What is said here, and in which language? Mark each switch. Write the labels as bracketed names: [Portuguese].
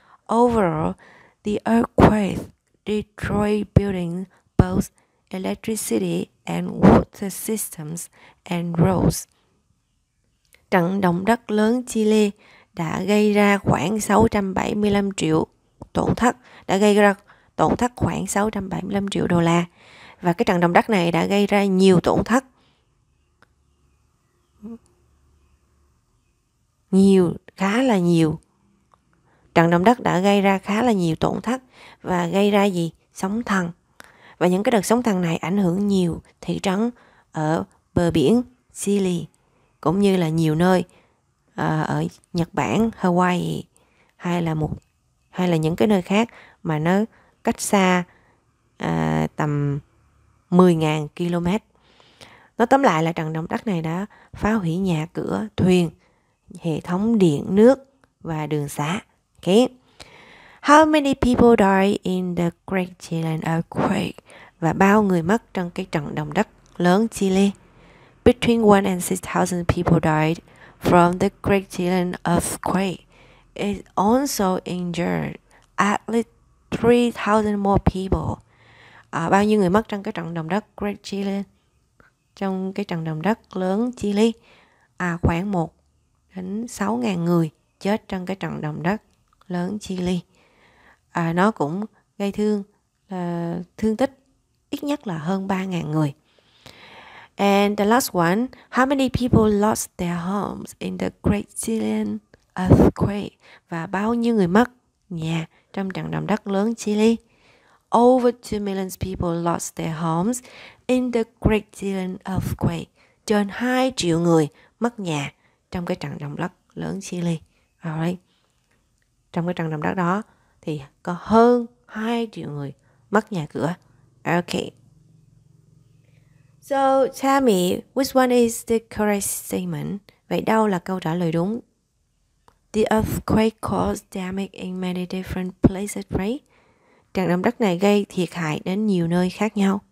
[English] Overall, the earthquake destroyed buildings, both electricity and water systems, and roads. [Vietnamese] Trận động đất lớn Chile đã gây ra khoảng 675 triệu tổn thất, đã gây ra tổn thất khoảng 675 triệu đô la. Và cái trận động đất này đã gây ra nhiều tổn thất. Nhiều, khá là nhiều. Trận động đất đã gây ra khá là nhiều tổn thất và gây ra gì? Sóng thần. Và những cái đợt sóng thần này ảnh hưởng nhiều thị trấn ở bờ biển Sicily cũng như là nhiều nơi ở Nhật Bản, Hawaii hay là những cái nơi khác mà nó cách xa tầm 10.000 km. Nói tóm lại là trận động đất này đã phá hủy nhà cửa, thuyền, hệ thống điện, nước và đường xá. Okay. [English] How many people died in the Great Chilean earthquake? [Vietnamese] Và bao người mất trong cái trận động đất lớn Chile? [English] Between 1 and 6,000 people died from the Great Chilean earthquake. It also injured at least 3,000 more people. [Vietnamese] Bao nhiêu người mất trong cái trận động đất Great Chilean? Trong cái trận động đất lớn Chile? Khoảng 1 đến 6.000 người chết trong cái trận động đất lớn Chile. Nó cũng gây thương tích ít nhất là hơn 3.000 người. [English] And the last one, how many people lost their homes in the Great Chilean earthquake? [Vietnamese] Và bao nhiêu người mất nhà trong trận động đất lớn Chile? Over 2 million people lost their homes in the Great Chilean earthquake. Trên 2 triệu người mất nhà trong cái trận động đất lớn Chile. Trong cái trận động đất đó thì có hơn 2 triệu người mất nhà cửa. Okay. [English] So tell me, which one is the correct statement? [Vietnamese] Vậy đâu là câu trả lời đúng? [English] The earthquake caused damage in many different places, right? [Vietnamese] Trận động đất này gây thiệt hại đến nhiều nơi khác nhau.